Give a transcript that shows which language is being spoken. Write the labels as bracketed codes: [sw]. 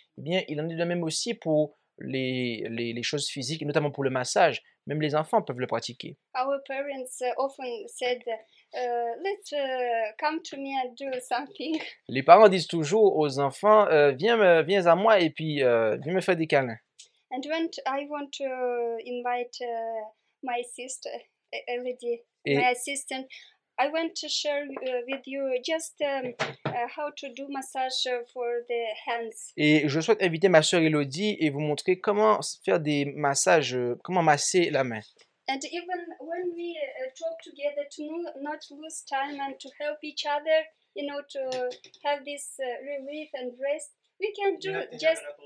[fr] Eh bien, il en est de même aussi pour les choses physiques, notamment pour le massage. Même les enfants peuvent le pratiquer. [en] Our parents often said, "Let's come to me and do something." [fr] Les parents disent toujours aux enfants, viens à moi et puis viens me faire des câlins. [en] And when I want to invite my sister, Elodie, my assistant. I want to share with you just how to do massage for the hands. [fr] Et je souhaite inviter ma sœur Elodie et vous montrer comment faire des massages, comment masser la main. [en] And even when we talk together to not lose time and to help each other, you know, to have this relief and rest, we can do just.